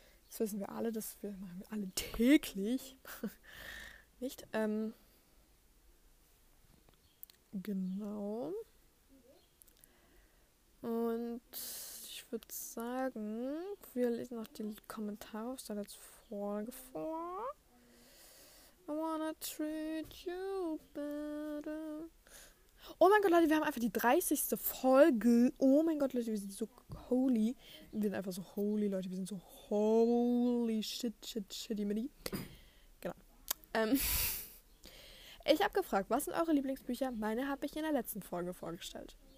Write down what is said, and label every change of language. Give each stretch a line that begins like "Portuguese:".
German: Das wissen wir alle, das machen wir alle täglich. Nicht? Genau. Und ich würde sagen, wir lesen noch die Kommentare auf der letzten Folge vor.
English: I wanna treat you better.
German: Oh mein Gott, Leute, wir haben einfach die 30. Folge. Oh mein Gott, Leute, wir sind so holy. Wir sind einfach so holy, Leute. Wir sind so
English: holy shit, shit, shitty, mini.
German: Genau. Ich habe gefragt, was sind eure Lieblingsbücher? Meine habe ich in der letzten Folge vorgestellt.